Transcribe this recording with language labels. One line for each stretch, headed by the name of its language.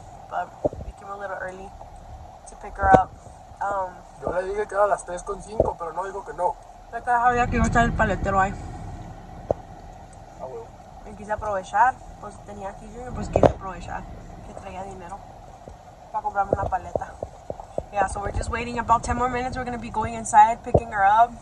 English: But we came a little early to pick her up.
Spanish: Yo le dije que era a las 3:05, pero no dijo que no. Ya te dejaba ya que iba a estar el paletero ahí. Ah, bueno. Me quise aprovechar, pues tenía aquí yo, pues quise aprovechar que traía dinero para comprarme una paleta.
English: Yeah, so we're just waiting about 10 more minutes. We're going to be going inside, picking her up.